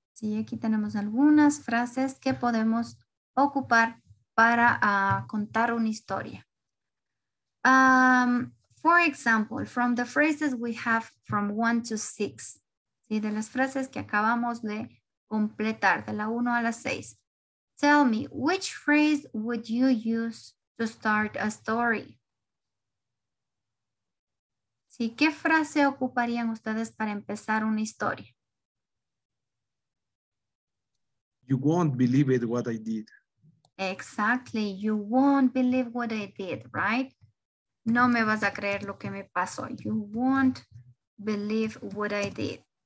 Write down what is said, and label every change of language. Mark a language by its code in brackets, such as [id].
[es] Sí, aquí tenemos algunas frases que podemos ocupar para contar una historia. [en] For example, from the phrases we have from 1 to 6, [es] ¿sí? De las frases que acabamos de completar, de la 1 a la 6. [en] Tell me, which phrase would you use to start a story? [es] ¿Sí? ¿Qué frase ocuparían ustedes para empezar una historia? [en] You won't believe it what I did. Exactly. You won't believe what I did, right? [es] No me vas a creer lo que me pasó. [en] You won't believe what I did.